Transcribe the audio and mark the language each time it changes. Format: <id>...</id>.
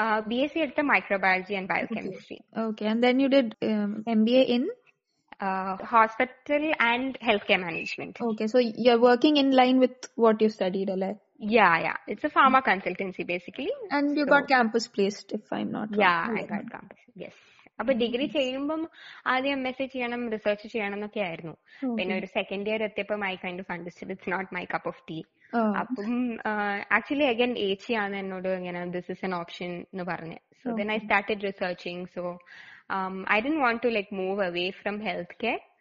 <en>BSc എടുത്ത microbiology and biochemistry. Okay, and then you did MBA in hospital and health care management. Okay, so you are working in line with what you studied അല്ലേ? Yeah, yeah. It's a pharma consultancy, basically. And you got campus placed, if I'm not wrong. Yeah, I got campus, yes.</en> <ml>അപ്പൊ degree ചെയ്യുമ്പം ആദ്യം MSc ചെയ്യണം, research ചെയ്യണം എന്നൊക്കെ ആയിരുന്നു. പിന്നെ ഒരു സെക്കൻഡ് ഇയർ എത്തിയപ്പോ</ml> <en>My kind of understood it's not my cup of tea.</en> <ml>അപ്പം ആക്ച്വലി അഗൈൻ ഏച്ചി ആണ് എന്നോട് ഇങ്ങനെ</ml> <en>this is an option</en> <ml>എന്ന് പറഞ്ഞു.</ml> <en>So then I started researching. So I didn't want to like move away from health care.</en>